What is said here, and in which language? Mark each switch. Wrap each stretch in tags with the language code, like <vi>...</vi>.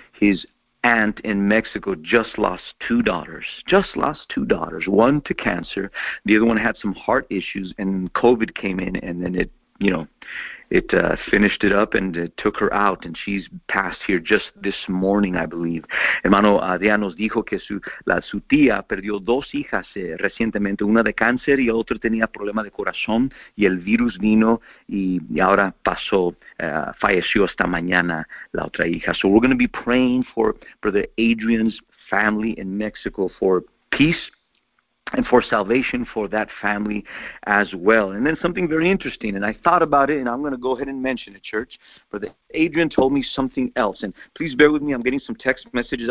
<en>His aunt in Mexico just lost two daughters, one to cancer. The other one had some heart issues, and COVID came in, and then it, you know, it finished it up and it took her out, and she's passed here just this morning, I believe.</en> <es>Hermano Adrián nos dijo que su tía perdió dos hijas recientemente, una de cáncer y otra tenía problema de corazón, y el virus vino y ahora pasó, falleció esta mañana la otra hija.</es> <en>So we're going to be praying for Brother Adrian's family in Mexico for peace and for salvation for that family as well. And then something very interesting, and I thought about it, and I'm going to go ahead and mention it, church. Brother Adrian told me something else. And please bear with me. I'm getting some text messages.</en>